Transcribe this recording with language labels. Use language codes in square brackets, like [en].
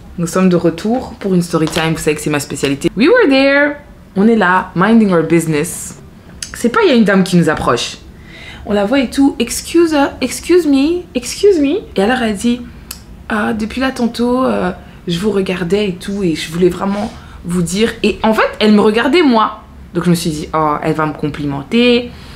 [fr] Nous sommes de retour pour une story time, vous savez que c'est ma spécialité. [en] We were there, [fr] on est là, [en] minding our business. [fr] C'est pas, il y a une dame qui nous approche. On la voit et tout, [en] excuse me. [fr] Et alors elle dit, depuis là tantôt, je vous regardais et tout, et je voulais vraiment vous dire. Et en fait, elle me regardait moi. Donc je me suis dit, oh, elle va me complimenter.